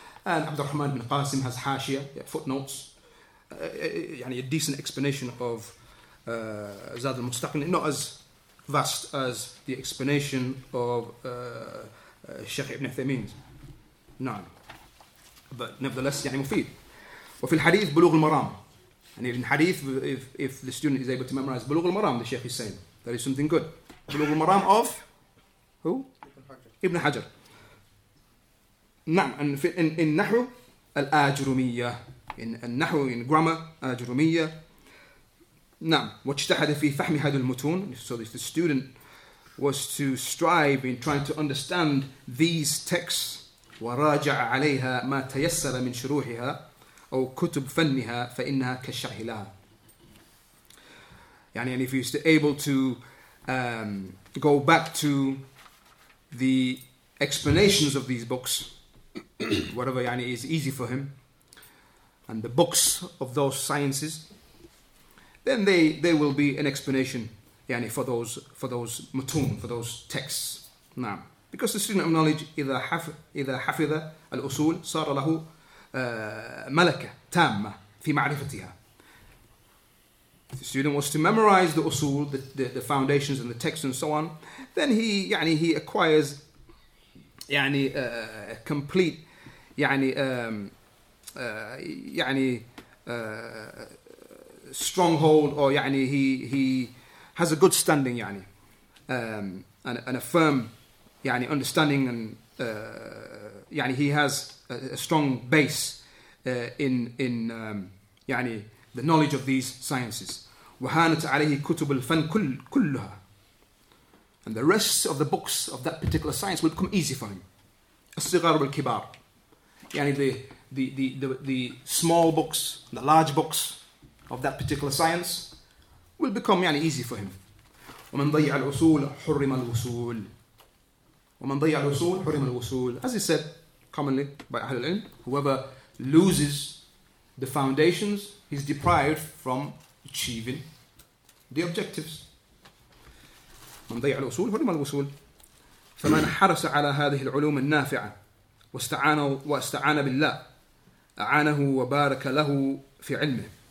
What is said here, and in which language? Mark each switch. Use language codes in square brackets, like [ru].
[en] And Abdurrahman ibn Qasim has Hashia, footnotes, yani a decent explanation of Zad al-Mustaqni', not as vast as the explanation of Sheikh Ibn Uthaymeen's. No. But nevertheless, yani mufid. [ar] وفي الحديث بلوغ المرام. [en] And in hadith, if the student is able to memorize بلوغ المرام, the Sheikh is saying, that is something good. بلوغ المرام of who? Ibn Hajar. [ar] نعم in نحو الآجرومية in النحو in grammar آجرومية نعم واجتهد في فهم هذه المتون. [en] So if the student was to strive in trying to understand these texts [ar] وراجع عليها ما تيسر من شروحها أو كتب فنها فإنها كالشرح لها [en] يعني if he was able to go back to the explanations of these books, whatever yani is easy for him, and the books of those sciences, then they will be an explanation yani for those mutun, for those texts. [ar] Naam. [en] Because the student of knowledge [ar] إذا حفظ الأصول صار له ملكة تامة في معرفتها. [en] If the student was to memorize the أصول, the foundations and the texts and so on, then he yani he acquires yani a complete stronghold, or يعني he has a good standing يعني and a firm يعني understanding, and يعني he has a strong base in يعني the knowledge of these sciences. [ar] وهانت عليه كتب الفن كلها, [en] and the rest of the books of that particular science will come easy for him. [ar] الصغار والكبار, [en] yani the small books, the large books of that particular science will become yani easy for him. [ar] ومن ضيع الأصول حرم الوصول. ومن ضيع الأصول حرم الوصول. [en] As he said commonly by Ahlul Ilm, whoever loses the foundations, he's deprived from achieving the objectives. [ar] من ضيع الأصول حرم الوصول. فمن حرص على هذه العلوم النافعة واستعان بالله أعانه وبارك له في علمه.